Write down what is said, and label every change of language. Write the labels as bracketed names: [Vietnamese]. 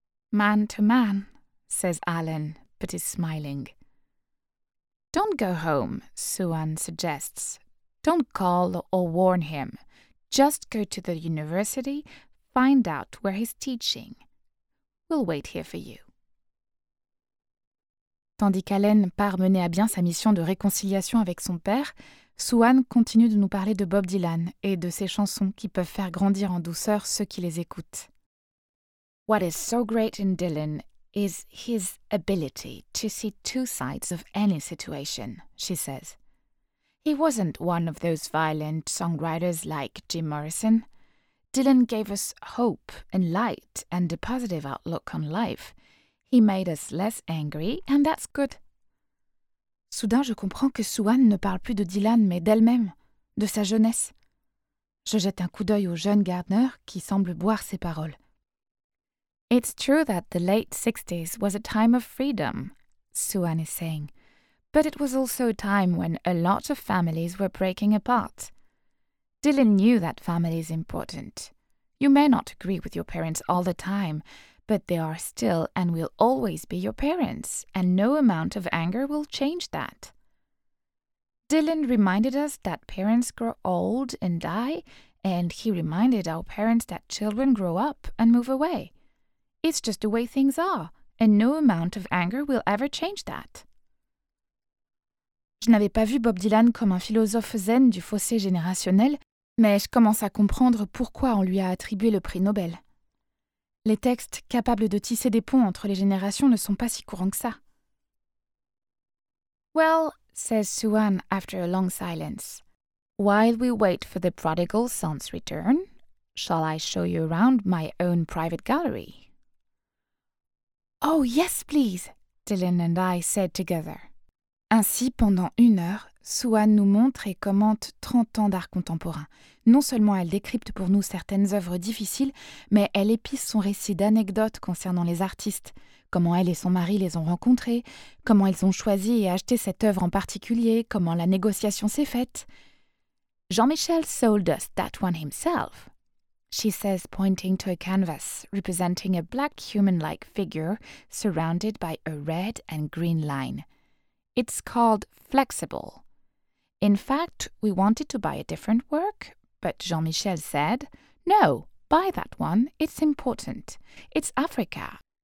[English] Man to man, says Alan, but is smiling. Don't go home, Suan suggests. Don't call or warn him. Just go to the university, find out where he's teaching. We'll wait here for you. [French] Tandis qu'Alan part mener à bien sa mission de réconciliation avec son père, Suan continue de nous parler de Bob Dylan et de ses chansons qui peuvent faire grandir en douceur ceux qui les écoutent. [English] What is so great in Dylan is his ability to see two sides of any situation, she says. He wasn't one of those violent songwriters like Jim Morrison. Dylan gave us hope and light and a positive outlook on life. He made us less angry, and that's good. [French] Soudain, je comprends que Suan ne parle plus de Dylan, mais d'elle-même, de sa jeunesse. Je jette un coup d'œil au jeune Gardner qui semble boire ses paroles. [English] It's true that the late 60s was a time of freedom, Suan is saying. But it was also a time when a lot of families were breaking apart. Dylan knew that family is important. You may not agree with your parents all the time, but they are still and will always be your parents, and no amount of anger will change that. Dylan reminded us that parents grow old and die, and he reminded our parents that children grow up and move away. It's just the way things are, and no amount of anger will ever change that. [French] Je n'avais pas vu Bob Dylan comme un philosophe zen du fossé générationnel, mais je commence à comprendre pourquoi on lui a attribué le prix Nobel. Les textes capables de tisser des ponts entre les générations ne sont pas si courants que ça. [English] Well, says Suan after a long silence, while we wait for the prodigal son's return, shall I show you around my own private gallery? Oh yes, please, Dylan and I said together. [French] Ainsi, pendant une heure, Suan nous montre et commente 30 ans d'art contemporain. Non seulement elle décrypte pour nous certaines œuvres difficiles, mais elle épice son récit d'anecdotes concernant les artistes, comment elle et son mari les ont rencontrés, comment ils ont choisi et acheté cette œuvre en particulier, comment la négociation s'est faite. [English] Jean-Michel sold us that one himself, she says, pointing to a canvas representing a black human-like figure surrounded by a red and green line. It's called Flexible. In fact, we wanted to buy a different work, but Jean-Michel said, no, buy that one, it's important. It's Africa.